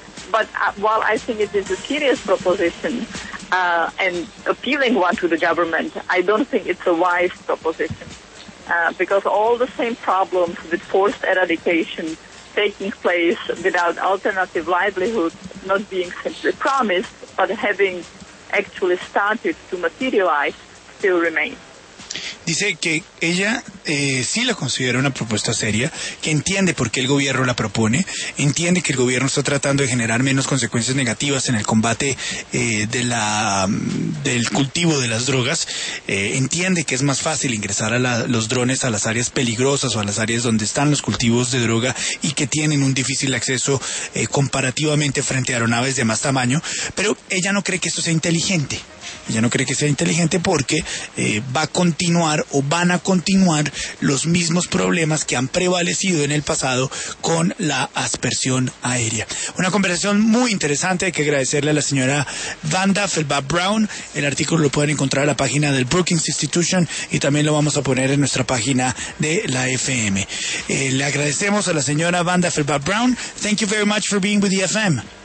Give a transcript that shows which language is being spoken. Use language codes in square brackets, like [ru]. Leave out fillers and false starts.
[en] But while I think it is a serious proposition, and appealing one to the government, I don't think it's a wise proposition. Because all the same problems with forced eradication taking place without alternative livelihoods not being simply promised, but having actually started to materialize, still remain. [es] Dice que ella sí la considera una propuesta seria, que entiende por qué el gobierno la propone, entiende que el gobierno está tratando de generar menos consecuencias negativas en el combate del cultivo de las drogas, entiende que es más fácil ingresar a los drones a las áreas peligrosas o a las áreas donde están los cultivos de droga y que tienen un difícil acceso comparativamente frente a aeronaves de más tamaño, pero ella no cree que esto sea inteligente. Ella no cree que sea inteligente porque va a continuar o van a continuar los mismos problemas que han prevalecido en el pasado con la aspersión aérea. Una conversación muy interesante, hay que agradecerle a la señora Wanda Fulbat Brown. El artículo lo pueden encontrar en la página del Brookings Institution y también lo vamos a poner en nuestra página de la FM. Le agradecemos a la señora Wanda Fulbat Brown. [en] Thank you very much for being with the FM.